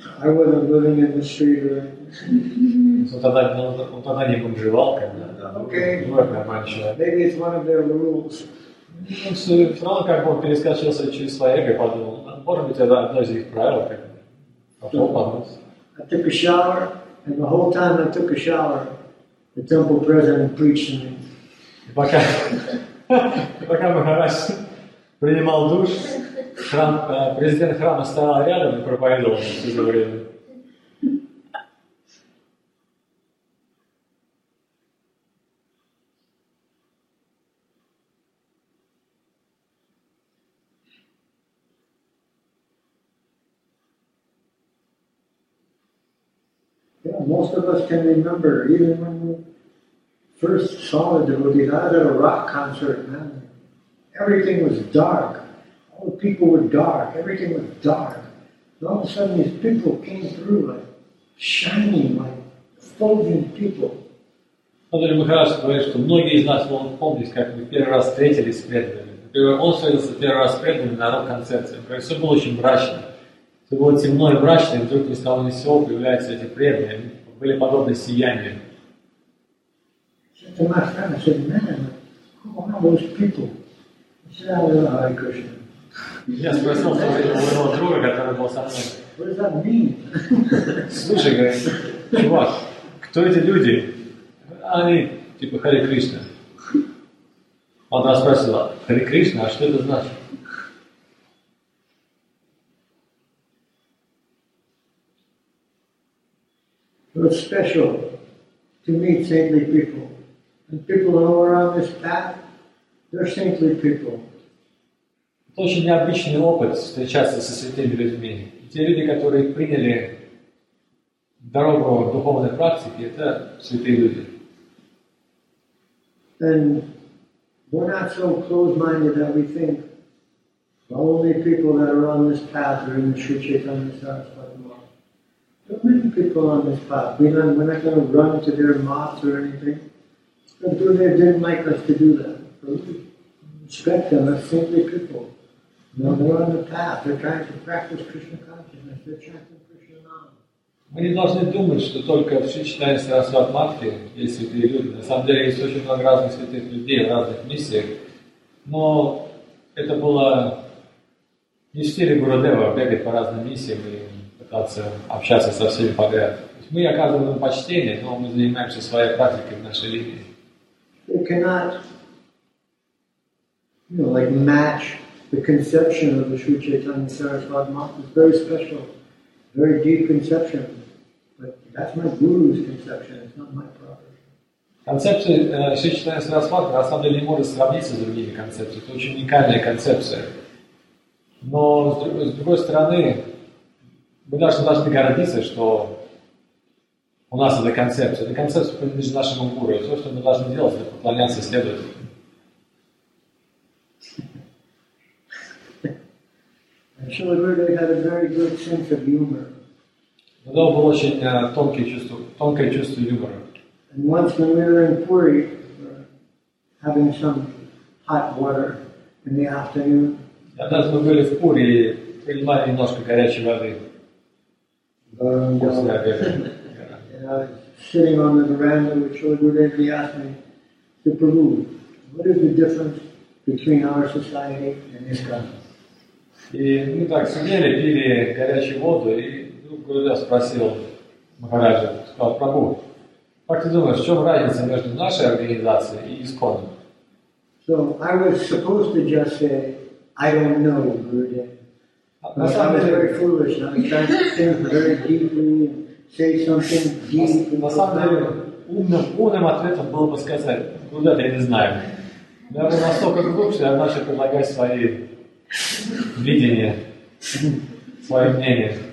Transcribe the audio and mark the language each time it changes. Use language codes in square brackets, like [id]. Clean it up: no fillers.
[en] I wasn't living in the street or anything. [ru] Тогда не бомжевал, когда. [en] Okay. [ru] Нормальный человек. [en] Maybe it's one of their rules. [ru] Он как бы перескочил через свое эго и подумал, может быть, это одно из их правил. [en] I took a shower, and the whole time I took a shower, the temple president preached to me. [ru] Пока Махарадж принимал душ, храм, президент храма стоял рядом и проповедовал все это время. [en] Yeah, most of us can remember, even when we first saw the devotee, I was at a rock concert, man. Everything was dark. All the people were dark, everything was dark. And all of a sudden these people came through like shining, like Belgian people. [ru] Смотрите, мы хорошо говорим, что многие из нас могут помнить, как мы первый раз встретились с преданными. Он встретился первый раз с преданными на рок-концерте. Все было очень мрачно. Все было темно и мрачно, и вдруг ни с того ни с сего появляются эти преданные. Были подобны сиянию. Я спросил своего друга, который был со мной. Слушай, говорит, чувак, кто эти люди? Они типа Харе Кришна. Он там спросил, Харе Кришна, а что это значит? [en] It was special to meet saintly people. And people who are on this path, they're saintly people. [ru] Это очень необычный опыт встречаться со святыми людьми. Те люди, которые приняли дорогу духовной практики, это святые люди. [en] And we're not so closed-minded that we think the only people that are on this path are in the Sri Chaitanya Saraswati. There are many people on this path. We're not going to run to their mosques or anything. But Gurudev didn't like us to do that. So respect them as simply people. No, they're on the path. They're trying to practice Krishna consciousness. They're chanting Krishna Nama. [ru] Мы не должны думать, что только в Шри Чайтанья Сарасвати Матхе есть святые люди. На самом деле есть очень много разных святых людей в разных миссиях. Но это было не в стиле Гурудева бегать по разным миссиям и пытаться общаться со всеми подряд. То есть мы оказываем им почтение, но мы занимаемся своей практикой в нашей линии. [en] They cannot, you know, like match the conception of the Sri Chaitanya Sarasvati Matha. It's very special. Very deep conception, but that's my guru's conception. It's not my property. [ru] Концепция Шри Чайтанья Сарасвати на самом деле не может сравниться с другими концепциями. Это очень уникальная концепция. Но с другой стороны, мы должны гордиться, что у нас эта концепция. Эта концепция принадлежит нашему гуру. И все, что мы должны делать, это поклоняться следователям. [en] Srila Gurudev had a very good sense of humor. [ru] У него было очень тонкое чувство юмора. [en] And once when we were in Puri, having some hot water in the afternoon. [ru] Однажды мы были в Пури и принимали немножко горячей воды. После обеда. [en] I was sitting on the veranda with Srila Gurudev. He asked me, "Sri Prabhu, what is the difference between our society and his country?" [ru] И мы так сидели, пили горячую воду, и вдруг Гурудев спросил Махараджа, сказал, Прабху, как ты думаешь, в чем разница между нашей организацией и ИСККОН? [en] So I was supposed to just say, I don't know, Gurudev. I sounded very foolish, and I tried to think very deeply, say something deep. [ru] На самом деле, умным ответом было бы сказать, Гурудев, я не знаю. Но я настолько глуп, что я начал предлагать свои видение, свое мнение.